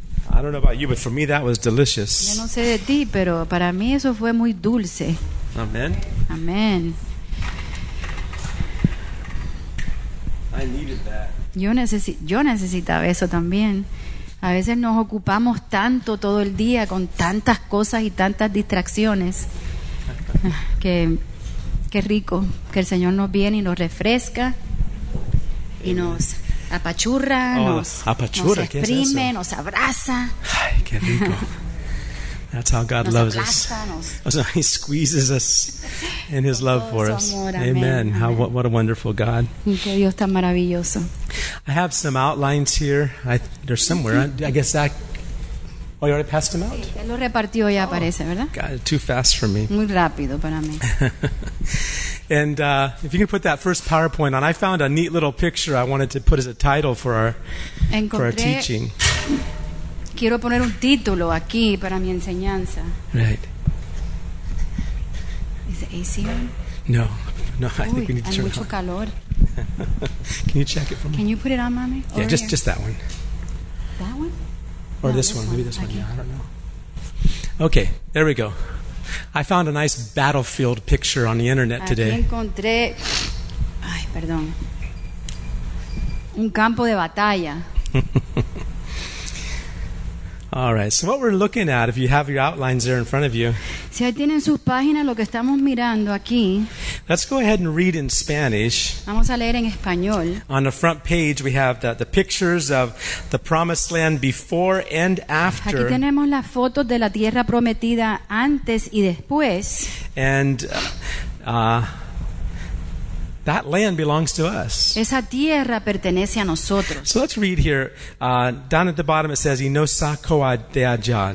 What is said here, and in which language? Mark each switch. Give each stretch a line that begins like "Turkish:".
English: I don't know about you, but for me that was delicious.
Spanish: Yo no sé de ti, pero para mí eso fue muy dulce.
English: Amen. Amen. I needed that.
Spanish: Yo necesitaba eso también. A veces nos ocupamos tanto todo el día con tantas cosas y tantas distracciones. Qué rico que el Señor nos viene y nos refresca y nos apachurra, apachurra, nos exprime, nos abraza. Ay, qué rico.
English: That's how God
Spanish: nos
English: loves us. So he squeezes us in his love for us. Amen. Amen. What a wonderful God.
Spanish: Qué Dios tan maravilloso.
English: I have some outlines here. They're somewhere. I guess that. Oh, you already passed them out?
Spanish: Sí, él lo repartió ya, parece, ¿verdad?
English: God, too fast for me.
Spanish: Muy rápido para mí.
English: And if you can put that first PowerPoint on, I found a neat little picture I wanted to put as a title for our teaching.
Spanish: Quiero poner un título aquí para mi enseñanza.
English: Right. Is it AC on? No. No, I think we need to turn
Spanish: mucho
English: it on.
Spanish: Calor.
English: Can you check it for me? Can you put it on, mommy? Yeah, over just here. Just that one. That one? Or no, this one. Maybe this one. Yeah, I don't know. Okay, there we go. I found a nice battlefield picture on the internet today.
Spanish: Aquí encontré un campo de batalla.
English: All right. So what we're looking at, if you have your outlines there in front of you.
Spanish: Si ahí tienen sus páginas, lo que estamos mirando aquí.
English: Let's go ahead and read in Spanish.
Spanish: Vamos a leer en español.
English: On the front page, we have the pictures of the promised land before and after.
Spanish: Aquí tenemos las fotos de la tierra prometida antes y después.
English: And That land belongs to us.
Spanish: Esa tierra pertenece a nosotros.
English: So let's read here. Down at the bottom it says, Inosakoa Deaja.